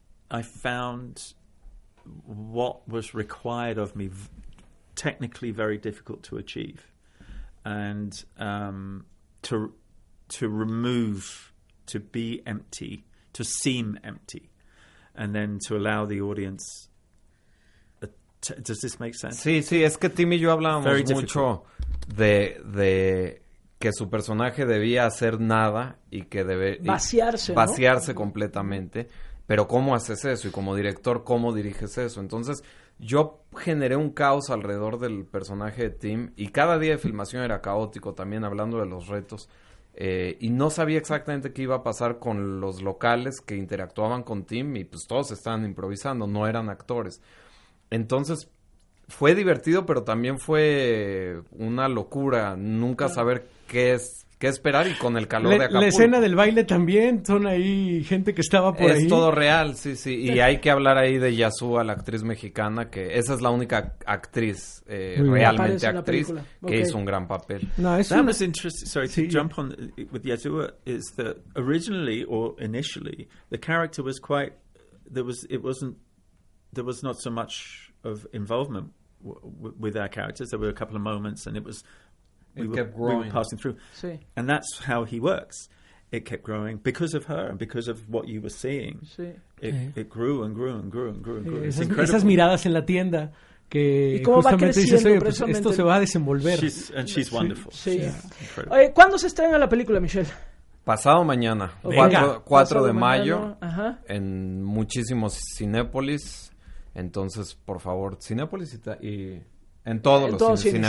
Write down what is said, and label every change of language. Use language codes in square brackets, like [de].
[en] I found what was required of me technically very difficult to achieve, and to be empty, to seem empty, and then to allow the audience. Does this make sense? [es] Sí, es que Tim y yo hablábamos mucho de que su personaje debía hacer nada y que debe vaciarse ¿no? completamente. Pero ¿cómo haces eso? Y como director, ¿cómo diriges eso? Entonces, yo generé un caos alrededor del personaje de Tim, y cada día de filmación era caótico también, hablando de los retos. Y no sabía exactamente qué iba a pasar con los locales que interactuaban con Tim, y pues todos estaban improvisando, no eran actores. Entonces, fue divertido, pero también fue una locura nunca saber qué esperar, y con el calor de Acapulco. La escena del baile también, son ahí gente que estaba por es ahí. Es todo real, sí. Y hay que hablar ahí de Yasua, la actriz mexicana, que esa es la única actriz, realmente actriz, que hizo un gran papel. [en] Was interesting, sorry, to jump on with Yasua, is that originally, or initially, the character was quite, there was not so much of involvement with our characters. There were a couple of moments, and we were passing through. [es] Sí. [en] And that's how he works. It kept growing because of her and because of what you were seeing. [es] Sí. [en] It grew and grew and grew and grew and grew. It's incredible. [es] Esas miradas en la tienda que justamente dices, oye, pues esto se va a desenvolver. [en] She's wonderful. [es] Sí. Yeah. Yeah. ¿Cuándo se estrena la película, Michelle? Pasado mañana, 4 de mayo, en muchísimos Cinépolis. Entonces, por favor, Cinépolis y en todos los cines.